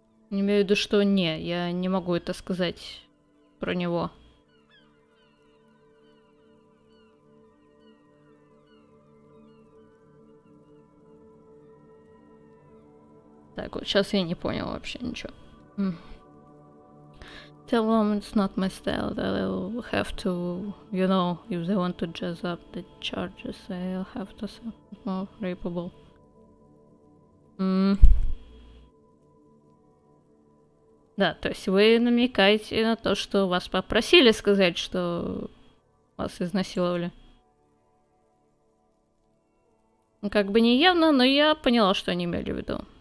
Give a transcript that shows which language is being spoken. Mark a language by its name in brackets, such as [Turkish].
[Russian] Не имею в виду, что не, я не могу это сказать про него. Так, вот сейчас я не понял вообще ничего. [English] Tell them it's not my style, that I'll have to, you know, if they want to jazz up the charges, I'll have to say more rapeable. [Russian] Да, то есть вы намекаете на то, что вас попросили сказать, что вас изнасиловали. Как бы не явно, но я поняла, что они имели в виду.